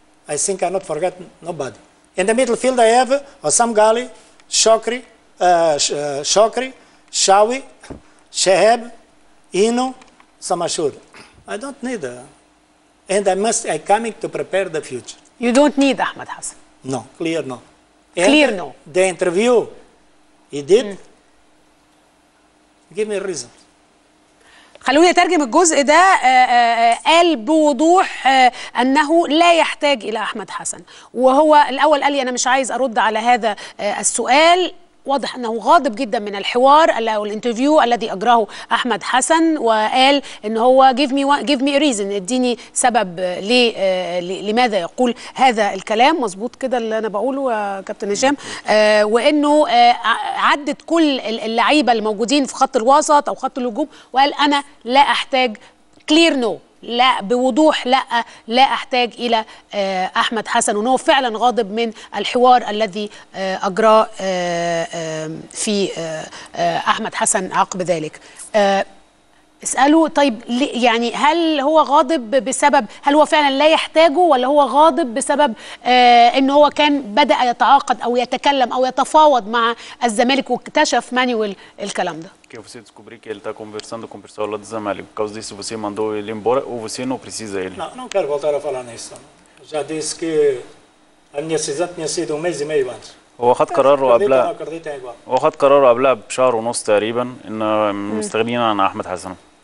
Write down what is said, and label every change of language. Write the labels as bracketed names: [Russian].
[English] I think I'm not forgetting nobody. In the middle field, I have Osam Gali, Shokri, Shokri, Shawi, Sheheb, Inu, Samashur. I don't need a... And I'm coming to prepare the future. You don't need Ahmed Hassan. No, clear no. Clear no. The interview he did, give me a reason. [Arabic] خلوني أترجم الجزء ده. قال بوضوح أنه لا يحتاج إلى أحمد حسن. وهو الأول قال لي أنا مش عايز أرد على هذا السؤال. واضح انه غاضب جدا من الحوار او الانترفيو الذي اجراه احمد حسن، وقال ان هو [English] give me a reason، [Arabic] اديني سبب لماذا يقول هذا الكلام. مظبوط كده اللي انا بقوله يا كابتن هشام؟ وانه عدت كل اللعيبه الموجودين في خط الوسط او خط الهجوم وقال انا لا احتاج، [English] clear no، [Arabic] لا بوضوح لا احتاج الى احمد حسن، وان هو فعلا غاضب من الحوار الذي اجراه في احمد حسن عقب ذلك. اساله طيب يعني هل هو غاضب بسبب، هل هو فعلا لا يحتاجه، ولا هو غاضب بسبب ان هو كان بدا يتعاقد او يتكلم او يتفاوض مع الزمالك واكتشف مانويل الكلام ده؟ [Portuguese] Que você descobri que ele está conversando com o pessoal lá do Zamalek. Por causa disso, você mandou ele embora ou você não precisa dele? Não, não quero voltar a falar nisso. Já disse que a minha decisão tinha sido 1 mês e meio antes. [Arabic] واخد قراره قبلها، [Portuguese] acredito, [Arabic] واخد قراره قبلها بشهر ونص تقريبا ان مستغنين عن احمد حسن.